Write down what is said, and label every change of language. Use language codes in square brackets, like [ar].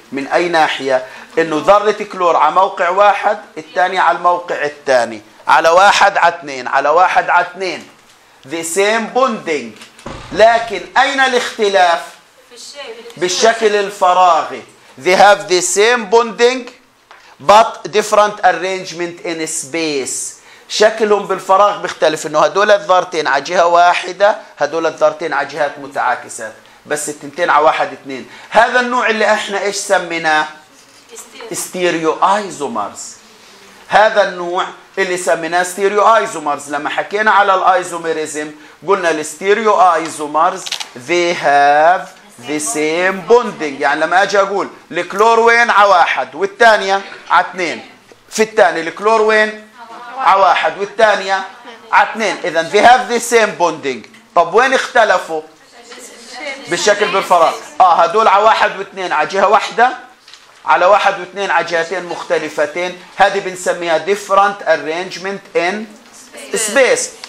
[ar] من أي ناحية؟ أنه ذرة كلور على موقع واحد، الثاني على الموقع الثاني، على واحد على اثنين، the same bonding. لكن أين الاختلاف؟ بالشكل الفراغي. [en] They have the same bonding but different arrangement in space. [ar] شكلهم بالفراغ بيختلف، انه هدول الذرتين على جهه واحده، هدول الذرتين على جهات متعاكسات، بس التنتين على واحد اثنين. هذا النوع اللي احنا ايش سميناه؟ ستيريو ايزومرز. هذا النوع اللي سميناه ستيريو ايزومرز. لما حكينا على الايزوميريزم قلنا الستيريو ايزومرز they have the same bonding. يعني لما اجي اقول الكلور وين؟ على واحد، والثانيه على اثنين. في الثاني الكلور وين؟ على واحد، والثانية على اثنين. [en] إذا they have the same bonding. [ar] طب وين اختلفوا؟ بالشكل بالفراغ. هدول على واحد واثنين على جهة واحدة، على واحد واثنين على جهتين مختلفتين. [en] هذه بنسميها different arrangement in space.